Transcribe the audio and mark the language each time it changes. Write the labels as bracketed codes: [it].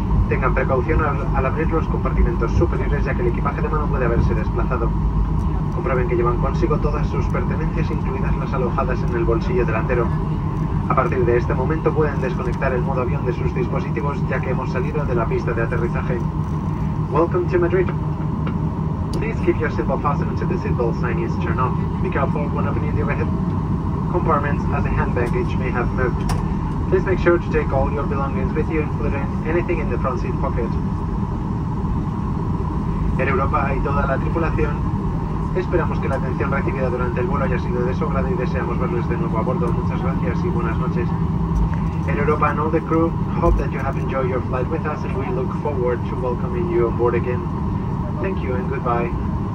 [es] Tengan precaución al abrir los compartimentos superiores, ya que el equipaje de mano puede haberse desplazado. Comprueben que llevan consigo todas sus pertenencias, incluidas las alojadas en el bolsillo delantero. A partir de este momento pueden desconectar el modo avión de sus dispositivos, ya que hemos salido de la pista de aterrizaje. [en] Welcome to Madrid. Please keep your seatbelt fastened until the seatbelt sign is turned off. Be careful when opening the overhead compartments, as the hand baggage may have moved. Please make sure to take all your belongings with you, including anything in the front seat pocket. [es] En Europa y toda la tripulación, esperamos que la atención recibida durante el vuelo haya sido de su agrado y deseamos verles de nuevo a bordo. Muchas gracias y buenas noches. [en] En Europa and all the crew, hope that you have enjoyed your flight with us and we look forward to welcoming you aboard again. Thank you and goodbye.